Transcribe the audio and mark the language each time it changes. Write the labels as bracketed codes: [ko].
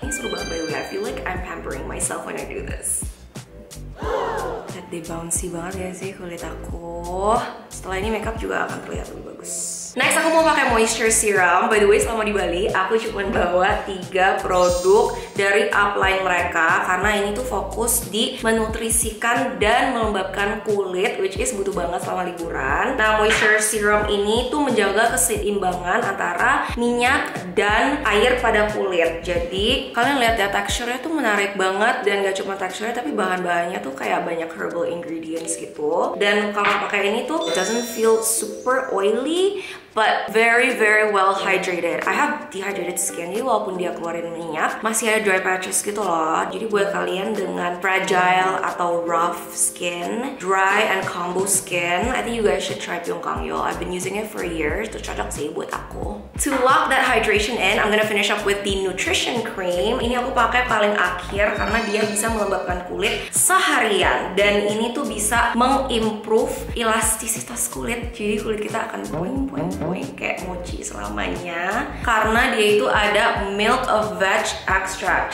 [id] Ini seru banget [en] by the way, I feel like I'm pampering myself when I do this. [id] Lihat deh, bouncy banget ya sih kulit aku. Setelah ini makeup juga akan terlihat lebih bagus. Next aku mau pakai moisture serum. [en] By the way, [id] selama di Bali aku cuma bawa 3 produk dari upline mereka karena ini tuh fokus di menutrisikan dan melembabkan kulit, which is butuh banget selama liburan. Nah, moisture serum ini tuh menjaga keseimbangan antara minyak dan air pada kulit. Jadi kalian lihat ya, teksturnya tuh menarik banget dan gak cuma teksturnya tapi bahan-bahannya tuh kayak banyak herbal ingredients gitu. Dan kalau pakai ini tuh [en] it doesn't feel super oily but very very well hydrated. I have dehydrated skin, [id] jadi walaupun dia keluarin minyak masih ada dry patches gitu loh. Jadi buat kalian dengan [en] fragile atau rough skin, dry and combo skin, I think you guys should try Pyongkang Yul. I've been using it for years, [id] itu cocok sih buat aku. [en] To lock that hydration in, I'm gonna finish up with the nutrition cream. [id] Ini aku pakai paling akhir karena dia bisa melembabkan kulit seharian dan ini tuh bisa mengimprove elastisitas kulit, jadi kulit kita akan poing-poing kayak mochi selamanya karena dia itu ada milk of veg extract.